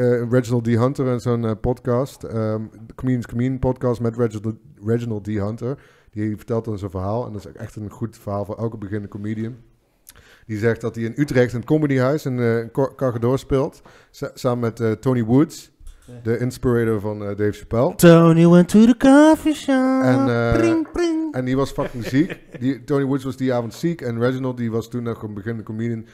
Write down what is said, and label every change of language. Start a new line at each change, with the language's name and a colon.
Dutch: Reginald D. Hunter en zo'n podcast. Comedian podcast met Reginald D. Hunter. Die vertelt dan zijn verhaal. En dat is echt een goed verhaal voor elke beginnende comedian. Die zegt dat hij in Utrecht in het comedyhuis in Cargador speelt. Samen met Tony Woods. De inspirator van Dave Chappelle.
English: Tony went to the coffee shop.
Dutch: En, pring. En die was fucking ziek. Tony Woods was die avond ziek. En Reginald die was toen nog een beginnende comedian.